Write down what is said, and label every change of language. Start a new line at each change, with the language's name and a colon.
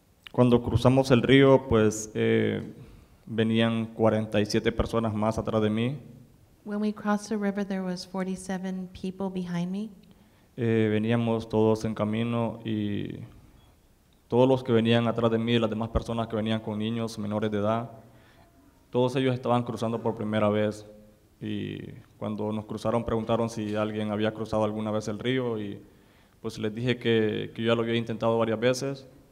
Spanish: Cuando cruzamos el río, pues venían 47 personas más atrás de mí.
English: When we crossed the river, there was 47 people behind me.
Spanish: Veníamos todos en camino y todos los que venían atrás de mí, las demás personas que venían con niños menores de edad, todos ellos estaban cruzando por primera vez. Y cuando nos cruzaron, preguntaron si alguien había cruzado alguna vez el río y pues les dije que yo ya lo había intentado varias veces.